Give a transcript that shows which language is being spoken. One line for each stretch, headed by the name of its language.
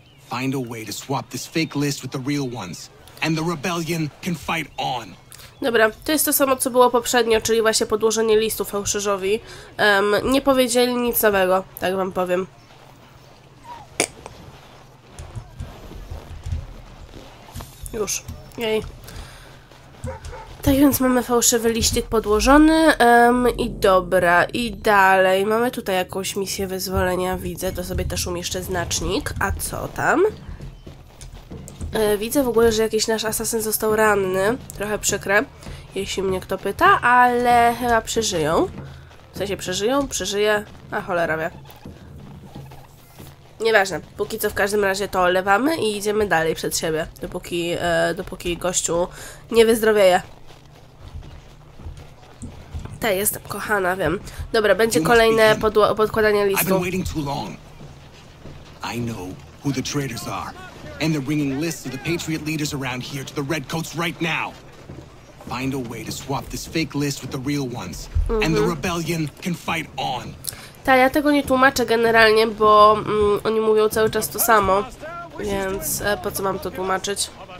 English: Find a way to swap this fake list with the real ones, and the rebellion can fight on.
Polish: Dobra, to jest to samo, co było poprzednio, czyli właśnie podłożenie listu fałszerzowi. Nie powiedzieli nic nowego, tak wam powiem. Już. Jej. Tak więc mamy fałszywy liścik podłożony i dobra, i dalej. Mamy tutaj jakąś misję wyzwolenia, widzę, to sobie też umieszczę znacznik. A co tam? Widzę w ogóle, że jakiś nasz asasyn został ranny. Trochę przykre, jeśli mnie kto pyta, ale chyba przeżyją. W sensie przeżyją? Przeżyje? A cholera wie. Nieważne, póki co w każdym razie to olewamy i idziemy dalej przed siebie, dopóki gościu nie wyzdrowieje. Ta, jestem kochana, wiem. Dobra, będzie kolejne podkładanie listu.
English: I've been waiting too long. I know who the traitors are, and they're bringing lists of the Patriot leaders around here to the Redcoats right now. Find a way to swap this fake list with the real ones, and the rebellion can fight on.
Polish: Ta, ja tego nie tłumaczę generalnie, bo oni mówią cały czas to samo, więc po co mam to tłumaczyć?